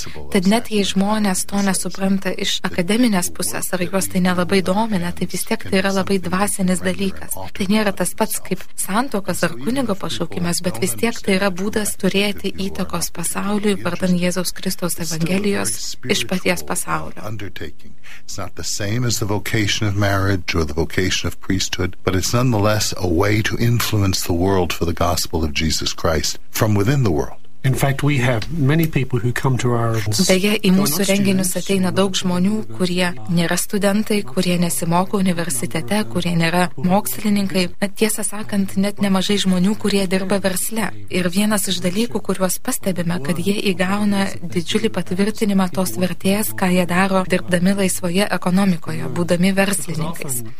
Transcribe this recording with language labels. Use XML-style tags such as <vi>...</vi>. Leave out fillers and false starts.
<lt>Tad net jei žmonės to nesupranta iš akademinės pusės ar juos tai nelabai domina, tai vis tiek tai yra labai dvasinis dalykas. Tai nėra tas pats kaip santuokas ar kunigo pašaukimas, bet vis tiek tai yra būdas turėti įtakos pasauliui vardan Jėzaus Kristaus Evangelijos iš paties pasaulio.</lt> <en>Undertaking. It's not the same as the vocation of marriage or the vocation of priesthood, but it's nonetheless a way to influence the world for the gospel of Jesus Christ from within the world. In fact, we have many people who come to our</en> <lt>Beje, į mūsų renginius ateina daug žmonių, kurie nėra studentai, kurie nesimoko universitete, kurie nėra mokslininkai. Bet tiesą sakant, net nemažai žmonių, kurie dirba versle. Ir vienas iš dalykų, kuriuos pastebime, kad jie įgauna didžiulį patvirtinimą tos vertės, ką jie daro dirbdami laisvoje ekonomikoje, būdami verslininkais.</lt>